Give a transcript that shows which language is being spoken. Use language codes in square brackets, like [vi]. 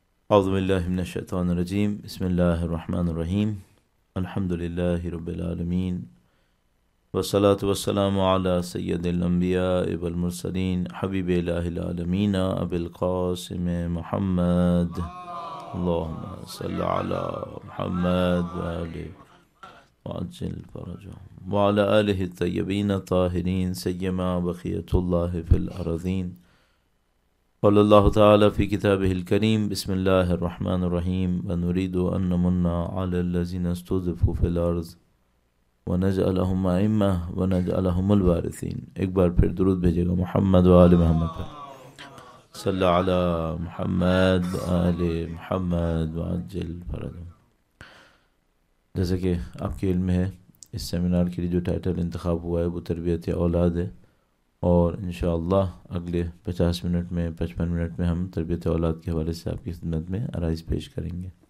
[ar] اعوذ باللہ من الشیطان الرجیم, بسم اللہ الرحمن الرحیم, الحمد للہ رب العالمین, والصلاۃ والسلام علی سید الانبیاء والمرسلین حبیب الہ العالمین ابی القاسم محمد, اللہم صل علی محمد وعجل فرجہم وعلی آلہ الطیبین الطاہرین سیما بقیۃ اللہ فی الارضین. قال الله تعالى في كتابه الكريم, بسم الله الرحمن الرحيم, ونريد أن نمن على الذين استضعفوا في الأرض ونجعلهم أئمة ونجعلهم الوارثين. [ur] ایک بار پھر درود بھیجے گا محمد و آل محمد پر. [ar] صل على محمد و آل محمد وعجل فرجهم. [ur] جیسا کہ آپ کے علم ہے, اس سیمینار کے لیے جو ٹائٹل انتخاب ہوا ہے وہ تربیت اولاد ہے, اور انشاءاللہ اگلے 50 منٹ میں 55 منٹ میں ہم تربیت اولاد کے حوالے سے آپ کی خدمت میں عرائض پیش کریں گے.